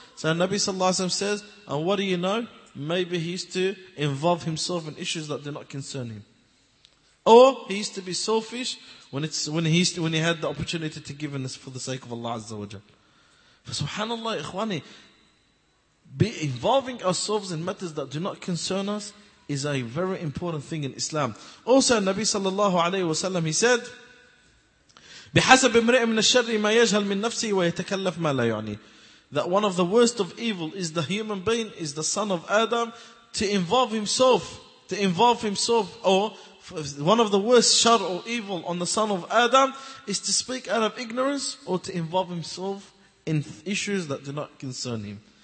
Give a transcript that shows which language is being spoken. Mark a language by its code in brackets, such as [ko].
[en] So Nabi sallallahu alayhi wa sallam says, and what do you know? Maybe he used to involve himself in issues that do not concern him. Or he used to be selfish when he had the opportunity to give in this for the sake of Allah Azza wa Jalla. Subhanallah, ikhwani, be involving ourselves in matters that do not concern us is a very important thing in Islam. Also, Nabi sallallahu alayhi wa sallam, he said, [ar] بحسب امرئ من الشر ما يجهل من نفسه ويتكلف ما لا يعني. [en] That one of the worst of evil is the human being, is the son of Adam, to involve himself, or one of the worst shar or evil on the son of Adam is to speak out of ignorance or to involve himself in issues that do not concern him.